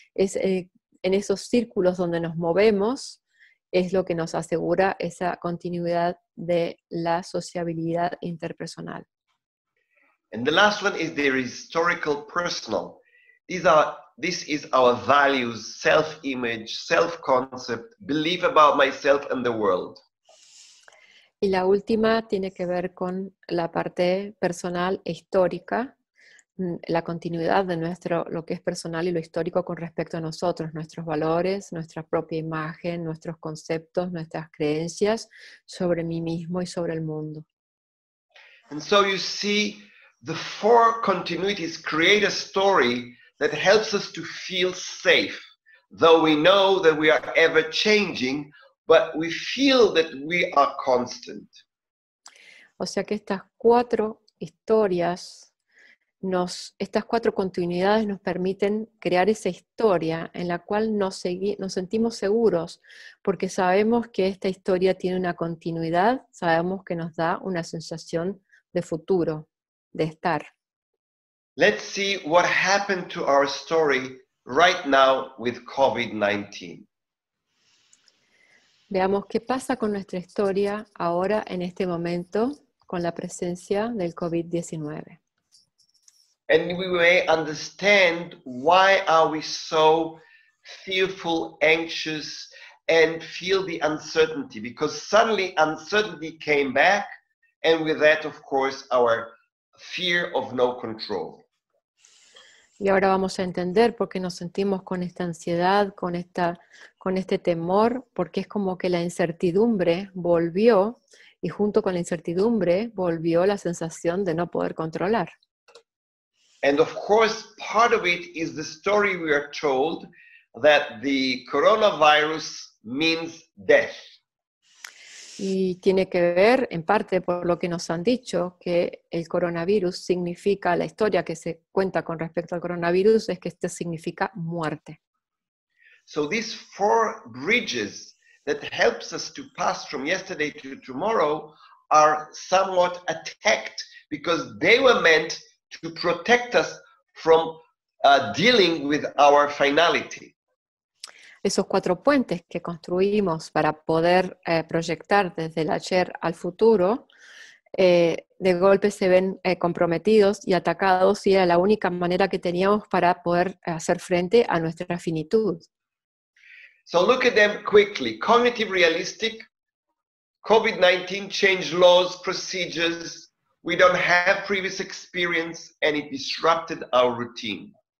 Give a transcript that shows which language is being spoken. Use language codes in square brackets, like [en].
[es] Es en esos círculos donde nos movemos, es lo que nos asegura esa continuidad de la sociabilidad interpersonal. [en] And the last one is the historical personal. This is our values, self-image, self-concept, belief about myself and the world. [es] Y la última tiene que ver con la parte personal e histórica, la continuidad de nuestro, lo que es personal y lo histórico con respecto a nosotros, nuestros valores, nuestra propia imagen, nuestros conceptos, nuestras creencias sobre mí mismo y sobre el mundo. [en] And so you see, the four continuities create a story that helps us to feel safe, though we know that we are ever changing, but we feel that we are constant. [es] O sea que estas cuatro historias, estas cuatro continuidades nos permiten crear esa historia en la cual nos sentimos seguros, porque sabemos que esta historia tiene una continuidad, sabemos que nos da una sensación de futuro, de estar. [en] Let's see what happened to our story right now with COVID-19. [es] Veamos qué pasa con nuestra historia ahora en este momento con la presencia del COVID-19. [en] And we may understand why are we so fearful, anxious, and feel the uncertainty, because suddenly uncertainty came back, and with that, of course, our fear of no control. [es] Y ahora vamos a entender por qué nos sentimos con esta ansiedad, con este temor, porque es como que la incertidumbre volvió, y junto con la incertidumbre volvió la sensación de no poder controlar. [en] And of course, part of it is the story we are told that the coronavirus means death. [es] Y tiene que ver, en parte, por lo que nos han dicho, que el coronavirus significa, la historia que se cuenta con respecto al coronavirus es que este significa muerte. [en] So these four bridges that helps us to pass from yesterday to tomorrow are somewhat attacked because they were meant to protect us from dealing with our finality. [es] Esos cuatro puentes que construimos para poder proyectar desde el ayer al futuro, de golpe se ven comprometidos y atacados, y era la única manera que teníamos para poder hacer frente a nuestra finitud. [en] So look at them quickly. Cognitive realistic, COVID-19 changed laws, procedures, we don't have previous experience, and it disrupted our routine.